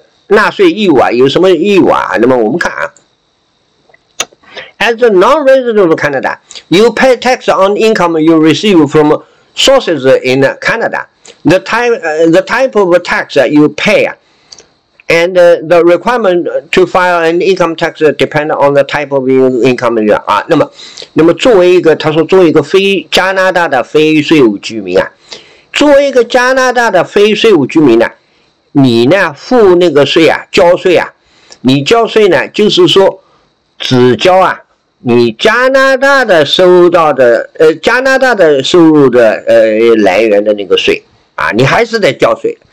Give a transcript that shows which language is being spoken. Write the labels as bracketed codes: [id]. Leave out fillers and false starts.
[zh] 纳税义务啊，有什么义务啊？那么我们看啊 [en] ，As a non-resident of Canada, you pay tax on income you receive from sources in Canada. The type of tax you pay, and the requirement to file an income tax depend on the type of income 啊。 [zh] 那么作为一个，他说作为一个非加拿大的非税务居民啊，作为一个加拿大的非税务居民呢、啊。你呢付那个税啊，交税啊，你交税呢就是说只交啊你加拿大的收到的加拿大的收入的来源的那个税啊，你还是得交税。